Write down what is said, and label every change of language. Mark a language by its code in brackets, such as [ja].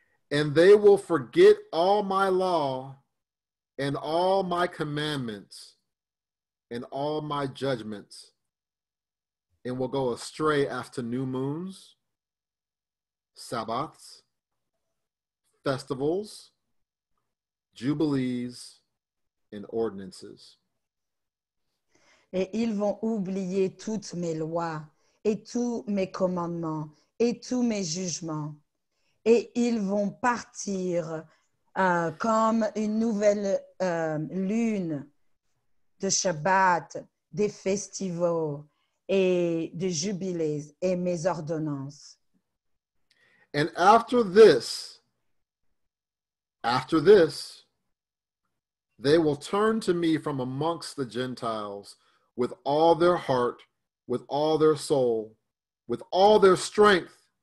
[en] And they will forget all my law and all my commandments and all my judgments and will go astray after new moons, Sabbaths, festivals, jubilees, and ordinances. [fr] Et ils vont oublier toutes mes lois et tous mes commandements et tous mes jugements. Et ils vont partir comme une nouvelle lune de Shabbat, des festivals et des jubilés et mes ordonnances. [en] And after this, they will turn to me from amongst the Gentiles with all their heart, with all their soul, with all their strength.